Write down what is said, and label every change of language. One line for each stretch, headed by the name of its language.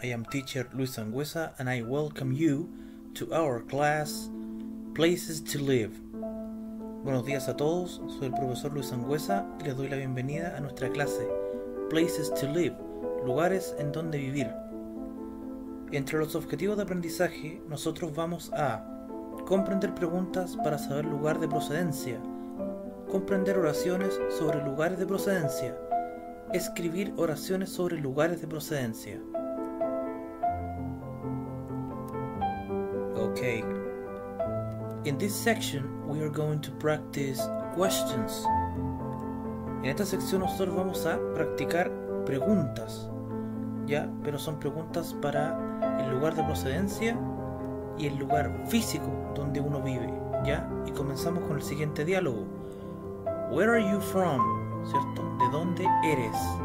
English: I am teacher Luis Sangüesa, and I welcome you to our class, Places to Live.
Spanish: Buenos días a todos. Soy el profesor Luis Sangüesa y les doy la bienvenida a nuestra clase, Places to Live, lugares en donde vivir. Entre los objetivos de aprendizaje, nosotros vamos a comprender preguntas para saber lugar de procedencia, comprender oraciones sobre lugares de procedencia, escribir oraciones sobre lugares de procedencia.
English: Okay. In this section, we are going to practice questions.
Spanish: En esta sección nosotros vamos a practicar preguntas. ¿Ya? Pero son preguntas para el lugar de procedencia y el lugar físico donde uno vive. ¿Ya? Y comenzamos con el siguiente diálogo.
English: Where are you from?
Spanish: ¿Cierto? ¿De dónde eres?